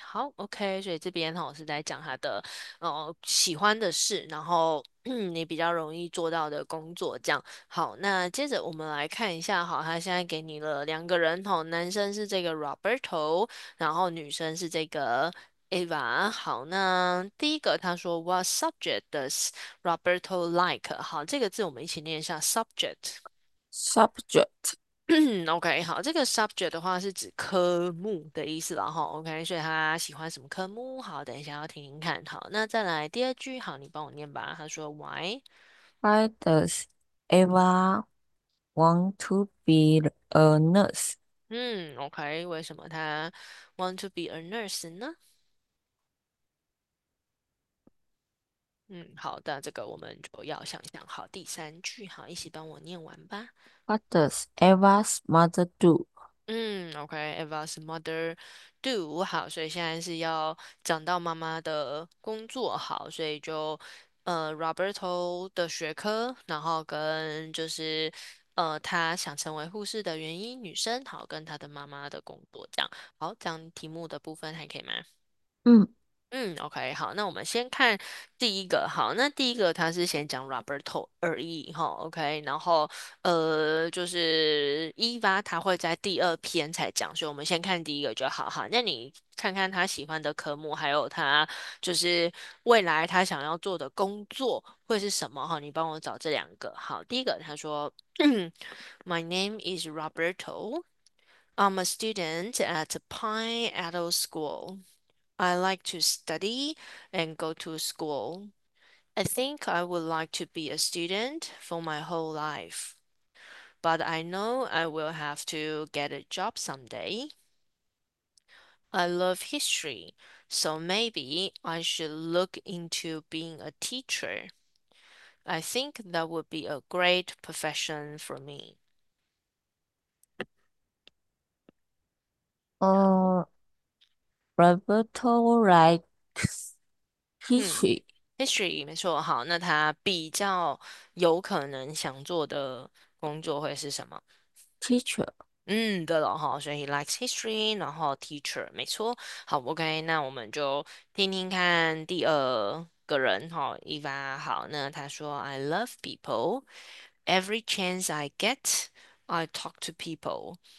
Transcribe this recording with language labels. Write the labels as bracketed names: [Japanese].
[Chinese] 好，OK，所以这边哈是在讲他的喜欢的事，然后你比较容易做到的工作这样。好，那接着我们来看一下哈，他现在给你了两个人哈，男生是这个 Roberto，然后女生是这个。 Eva，好，那第一个他说 [English] "What subject does Roberto like？" [Chinese] 好，这个字我们一起念一下 subject。 [English] Subject。 [Chinese] OK，好，这个 subject 的话是指科目的意思，然后 OK，所以他喜欢什么科目？好，等一下要听听看。好，那再来第二句，好，你帮我念吧。他说 "Why？" [English] Why does Eva want to be a nurse? [Chinese] OK，为什么他 [English] want to be a nurse [Chinese] 呢？好的，这个我们就要想想。好，第三句，好，一起帮我念完吧。 [English] What does Eva's mother do? [Chinese] OK， [English] Eva's mother do [Chinese] 好，所以现在是要讲到妈妈的工作，好，所以就Roberto 的学科，然后跟就是她想成为护士的原因，女生好跟她的妈妈的工作这样。好，讲题目的部分还可以吗？嗯，OK，好，那我们先看第一个。好，那第一个他是先讲 Roberto 而已哈，OK，然后就是 Eva 他会在第二篇才讲，所以我们先看第一个就好。好，那你看看他喜欢的科目，还有他就是未来他想要做的工作会是什么哈？你帮我找这两个。好，第一个他说 [English] My name is Roberto. I'm a student at Pine Adult School. I like to study and go to school. I think I would like to be a student for my whole life. But I know I will have to get a job someday. I love history, so maybe I should look into being a teacher. I think that would be a great profession for me. Roberto writes history. [Chinese] History 没错，好，那他比较有可能想做的工作会是什么？ [English] Teacher. [Chinese] 嗯，对了哈，所以 likes history，然后 teacher 没错，好，OK，那我们就听听看第二个人哈，伊娃，好，那他说 [English] I love people, every chance I get, I talk to people.